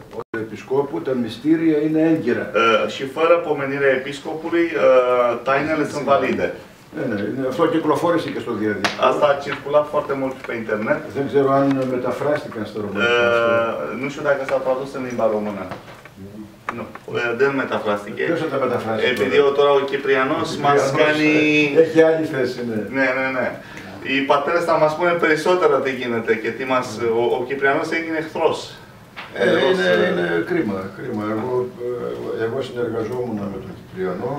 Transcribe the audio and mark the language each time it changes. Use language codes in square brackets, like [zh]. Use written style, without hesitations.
[el] Επισκόπου, τα μυστήρια είναι έγκυρα. [ro] Și fără pomenirea επισκόπului, tainele sunt valide. [el] Αυτό κυκλοφόρησε και στο διαδίκτυο. [ro] Asta a circulat foarte mult pe internet. [el] Δεν ξέρω αν μεταφράστηκαν στο ρωμανικό. [ro] Nu știu dacă s-a tradus în limba română. [el] Ναι, δεν μεταφράστηκε. Ποιος θα μεταφράσει? Επειδή τώρα ο Κυπριανός μας κάνει... Έχει άλλη θέση, ναι. Ναι, ναι, ναι. Οι πατέρες θα μας πούνε περισσότερα τι γίνεται και τι μας... Ο Κυπριανός έγινε εχθρός. Είναι κρίμα, κρίμα. Εγώ συνεργαζόμουν με τον Κυπριανό.